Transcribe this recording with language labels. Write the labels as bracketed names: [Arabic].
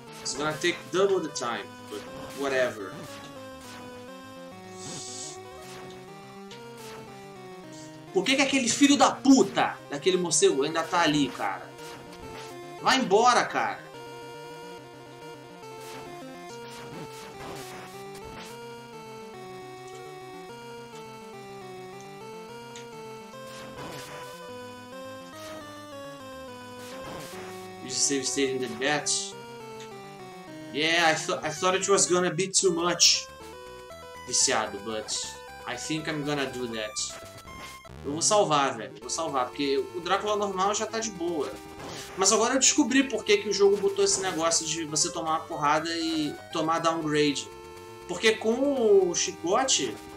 [English] It's gonna take double the time, but whatever. [Portuguese] Por que que aquele filho da puta daquele morcego ainda tá ali, cara? Vai embora, cara. [English] Save state in the bet. Yeah, I thought it was gonna be too much. [Portuguese] Viciado, [English] but I think I'm gonna do that. [Portuguese] Eu vou salvar, velho. Vou salvar, porque o Drácula normal já tá de boa. Mas agora eu descobri por que que o jogo botou esse negócio de você tomar uma porrada e tomar downgrade. Porque com o chicote...